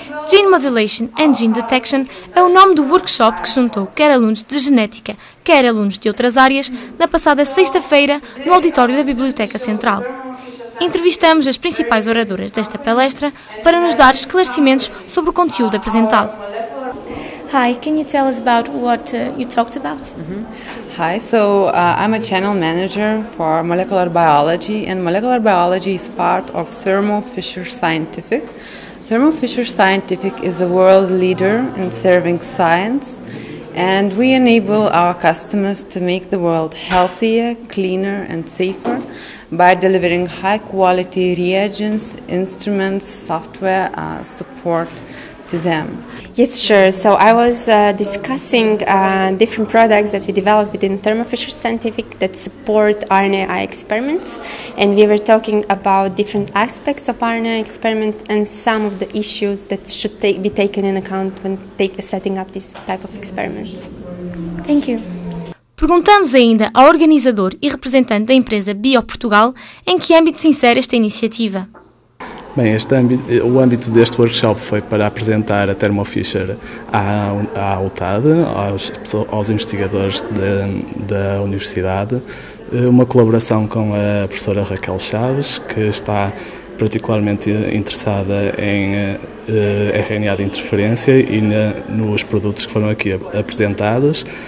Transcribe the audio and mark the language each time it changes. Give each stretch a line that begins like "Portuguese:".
Portuguese: Gene Modulation and Gene Detection é o nome do workshop que juntou quer alunos de genética, quer alunos de outras áreas, na passada sexta-feira, no auditório da Biblioteca Central. Entrevistamos as principais oradoras desta palestra para nos dar esclarecimentos sobre o conteúdo apresentado.
English: Hi, can you tell us about what you talked about? Hi, so I'm a channel manager for molecular biology, and molecular biology is part of Thermo Fisher Scientific. Thermo Fisher Scientific is a world leader in serving science, and we enable our customers to make the world healthier, cleaner, and safer by delivering high-quality reagents, instruments, software support to them. Yes, sure. So I was discussing different products that we developed within Thermo Fisher Scientific that support RNAi experiments. And we were talking about different aspects of RNAi experiments and some of the issues that should be taken in account when setting up this type of experiments. Thank you.
Portuguese: Perguntamos ainda ao organizador e representante da empresa BioPortugal em que âmbito se insere esta iniciativa. Bem, o âmbito deste workshop foi para apresentar a Thermo Fisher à UTAD, aos investigadores da universidade, uma colaboração com a professora Raquel Chaves, que está particularmente interessada em RNA de interferência e nos produtos que foram aqui apresentados,